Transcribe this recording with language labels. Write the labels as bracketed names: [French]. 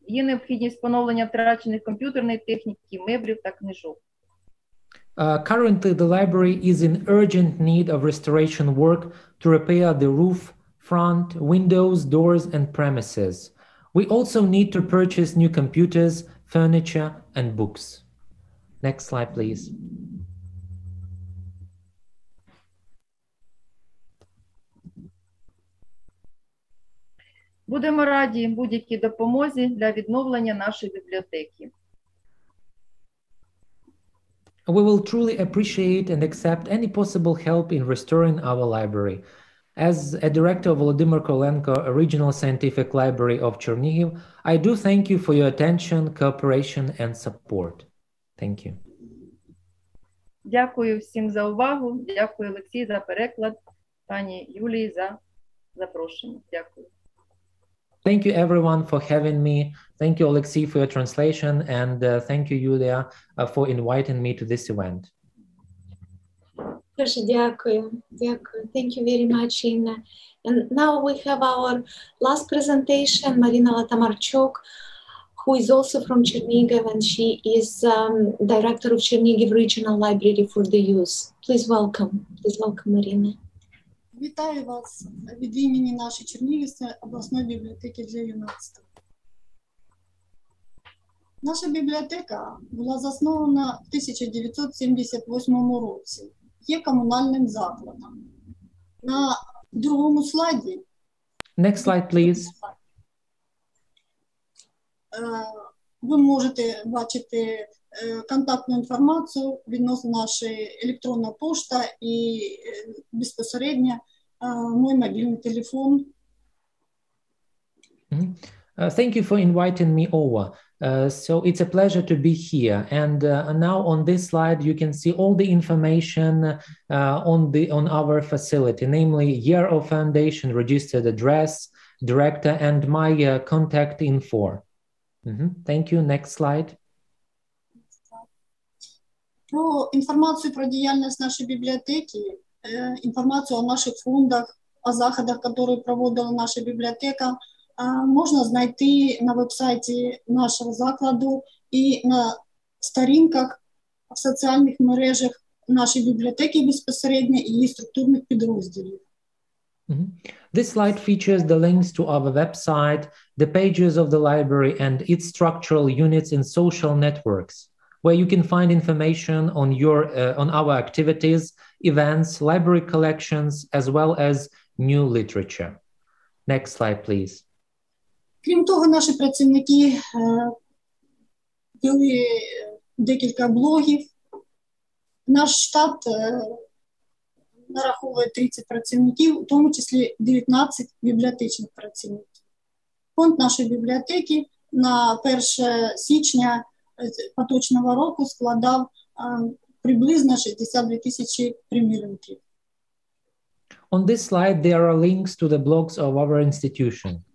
[Ukrainian] Є необхідність поновлення втрачених комп'ютерної техніки, меблів та книжок. [English] Currently, the library is in urgent need of restoration work to repair the roof, front, windows, doors, and premises. We also need to purchase new computers, furniture, and books. Next slide, please. [Ukrainian] Будемо раді будь-якій допомозі для відновлення нашої бібліотеки. [English] We will truly appreciate and accept any possible help in restoring our library. As a director of Volodymyr Kolenko Regional Scientific Library of Chernihiv, I do thank you for your attention, cooperation and support. Thank you. [Ukrainian] Дякую всім за увагу. Дякую Олексію за переклад, пані Юлії за запрошення. Дякую. [English] Thank you everyone for having me. Thank you, Alexei, for your translation, and thank you, Yulia, for inviting me to this event. [Ukrainian] Дуже дякую. Дякую. [English] Thank you very much, Inna. And now we have our last presentation, Marina Latamarchuk, who is also from Chernihiv, and she is director of Chernihiv Regional Library for the Youth. Please welcome. Please welcome, Marina. [Ukrainian] Вітаю вас від імені нашої Чернігівської обласної бібліотеки для юнацтва. Наша бібліотека була заснована в 1978 році, є комунальним закладом. На другому слайді. [English] Next slide, please. [Ukrainian] Ви можете бачити контактну інформацію відносно нашої електронної пошти і безпосередньо мой мобільний телефон. [English] Thank you for inviting me over. So it's a pleasure to be here. And now on this slide, you can see all the information on our facility, namely year of foundation, registered address, director, and my contact info. Mm-hmm. Thank you. Next slide. [Ukrainian] Про інформацію про діяльність нашої бібліотеки, інформацію о наших фондах, о заходах, які проводила наша бібліотека, можна знайти на веб-сайті нашого закладу і на сторінках в соціальних мережах нашої бібліотеки безпосередньо і її структурних підрозділів. Mm-hmm. [English] This slide features the links to our website, the pages of the library and its structural units in social networks, where you can find information on on our activities, events, library collections, as well as new literature. Next slide, please. [Ukrainian] Крім того, наші працівники вели декілька блогів. Наш штат нараховує 30 працівників, у тому числі 19 бібліотечних працівників. Фонд нашої бібліотеки на 1 січня поточного року складав приблизно 62 тисячі примірників. [English] On this slide there are links to the blogs of our institution.